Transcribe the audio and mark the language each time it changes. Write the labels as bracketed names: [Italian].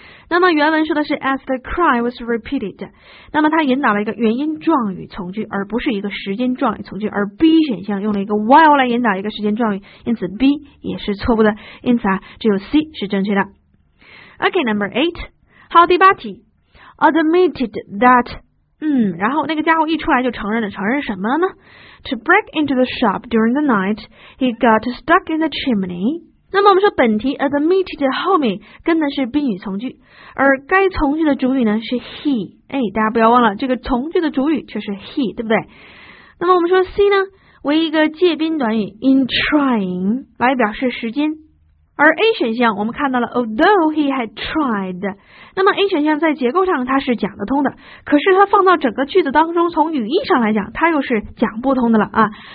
[Chinese] 那么原文说的是 as the cry was repeated, 那么它引导了一个原因状语从句，而不是一个时间状语从句，而 B 选项用了一个 while 来引导一个时间状语，因此 B 也是错误的，因此啊只有 C 是正确的。 OK, number 8, 好，第八题 admitted that, 然后那个家伙一出来就承认了，承认什么了呢？ [English] To break into the shop during the night, he got stuck in the chimney。 [Chinese] 那么我们说本题 admitted 后面跟的是宾语从句，而该从句的主语呢是 he, 哎，大家不要忘了这个从句的主语却是 he, 对不对？那么我们说 C 呢为一个介宾短语 in trying 来表示时间，而 A 选项我们看到了 although he had tried, 那么 A 选项在结构上它是讲得通的，可是它放到整个句子当中从语义上来讲它又是讲不通的了啊。